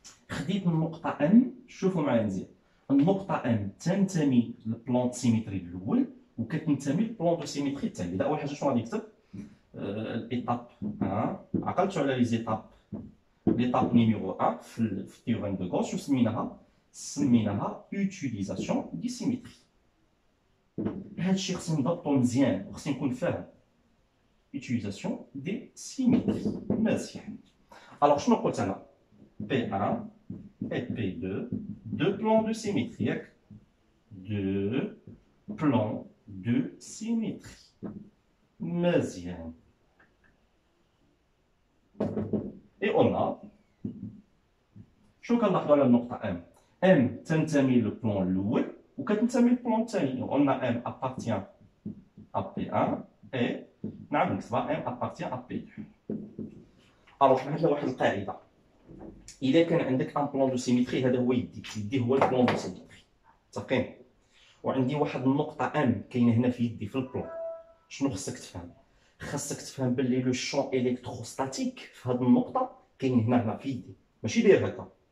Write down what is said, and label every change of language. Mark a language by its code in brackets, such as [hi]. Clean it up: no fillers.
[ar] خديت من نقطه ان شوفوا معايا مزيان النقطه ان تنتمي للبلون دو سيميتري الاول وكتنتمي للبلون دو سيميتري الثاني اذا اول حاجه شنو غادي نكتب الايتاب ها عقلتوا على لي زيتاب ليتاب نيميرو 1 في تيوغان دو غوش سميناها اوتيليزاسيون دي سيميتري هاد الشيء خصني نضبطو مزيان وخصني نكون فاهم [fr] utilisation des symétries [ar] مزيان الوغ شنو قلت انا [fr] P1 et P2, deux plans de symétrie. Deux plans de symétrie. Mazien. Et on a. [ar] شوف نلاحظوا على النقطة M. M تنتمي للبلان الأول وكتنتمي للبلان الثاني. قلنا [fr] M appartient à P1 et [ar] نعم نكتبها [fr] M appartient à P2. [ar] ألوغ نحل واحد القاعدة. إذا كان عندك أن بلان دو سيميتري هذا هو يديك، يدي هو البلان دو سيميتري. متفقين؟ وعندي واحد النقطة M كاينة هنا في يدي في البلان. شنو خصك تفهم؟ خصك تفهم باللي لو شون إلكتروستاتيك في هذه النقطة كاين هنا هنا في يدي. ماشي داير هكا.